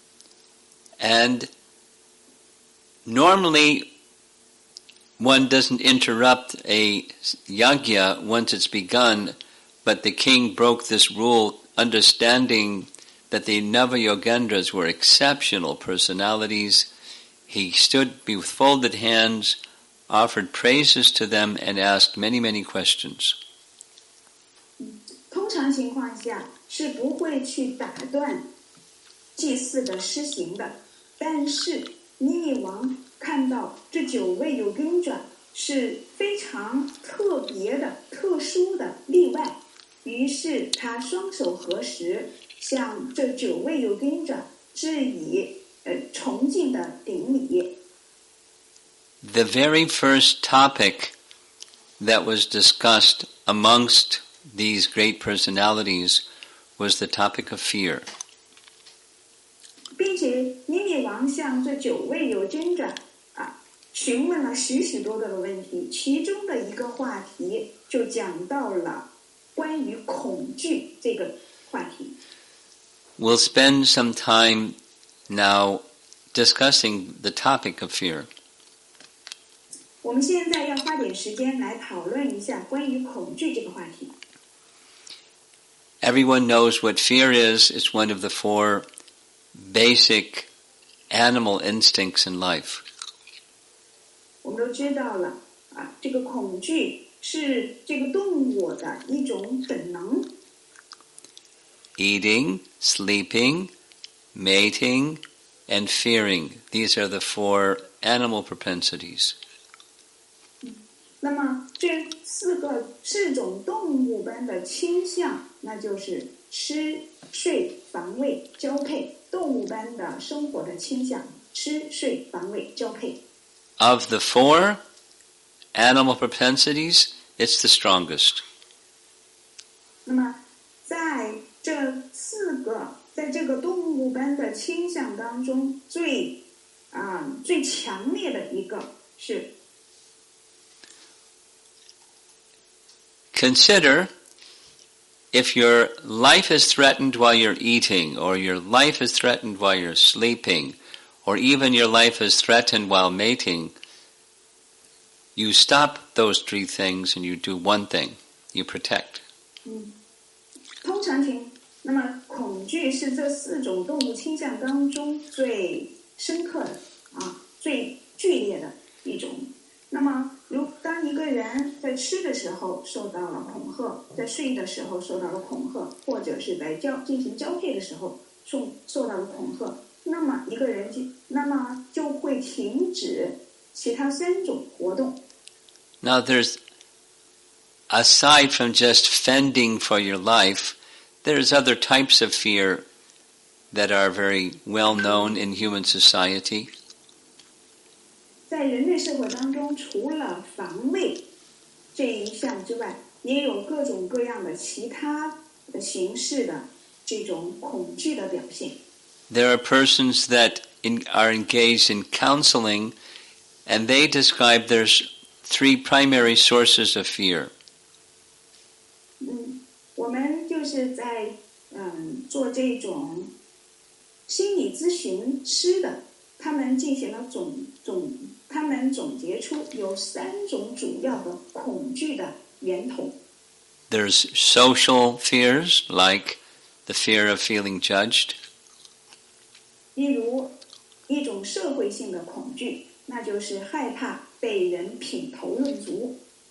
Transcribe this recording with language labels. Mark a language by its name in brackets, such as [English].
[Chinese] 火祭已经点燃，就在这些婆罗门们，他们即将要举行这场盛大的火祭的时候，这九位Yogendra从天而降，他们就像太阳一样光芒万丈。尼米王看到了他们，立刻起身迎接。 [English] And normally, one doesn't interrupt a yagya once it's begun, but the king broke this rule, understanding that the Nava Yogendras were exceptional personalities. He stood with folded hands, offered praises to them, and asked many, many questions. [Chinese] 通常情况下是不会去打断祭祀的施行的，但是尼尼王看到这九位有根转是非常特别的、特殊的例外，于是他双手合十，向这九位有根转致以崇敬的顶礼。 [English] The very first topic that was discussed amongst these great personalities was the topic of fear. [Chinese] 并且尼米王向这九位有真者询问了许许多多的问题，其中的一个话题就讲到了关于恐惧这个话题。 [English] We'll spend some time now discussing the topic of fear. [Chinese] 我们现在要花点时间来讨论一下关于恐惧这个话题。 [English] Everyone knows what fear is. It's one of the four... basic animal instincts in life. [Chinese] 我们都知道了，这个恐惧是这个动物的一种本能。 [English] Eating, sleeping, mating, and fearing. These are the four animal propensities. [Chinese] 那么这四个四种动物般的倾向，那就是吃、睡、防卫、交配。动物般的生活的倾向，吃、睡、防卫、交配。 [English] Of the four animal propensities, it's the strongest. [Chinese] 那么，在这四个，在这个动物般的倾向当中，最强烈的一个是。 [English] Consider. If your life is threatened while you're eating, or your life is threatened while you're sleeping, or even your life is threatened while mating, you stop those three things and you do one thing, you protect. [Chinese] 通常听，那么恐惧是这四种动物倾向当中最深刻的，最剧烈的一种。那么，如当一个人在吃的时候受到了恐吓，在睡的时候受到了恐吓，或者是在进行交配的时候受到了恐吓，那么一个人就会停止其他三种活动。 [English] Now there's aside from just fending for your life, there's other types of fear that are very well known in human society. [Chinese] 在人类社会当中，除了防卫这一项之外，也有各种各样的其他的形式的这种恐惧的表现。 [English] There are persons that are engaged in counseling, and they describe there's three primary sources of fear. [Chinese] 我们就是在做这种心理咨询师的，他们进行了他们总结出有三种主要的恐惧的源头。 [English] There's social fears, like the fear of feeling judged. [Chinese] 例如一种社会性的恐惧，那就是害怕被人品头论足。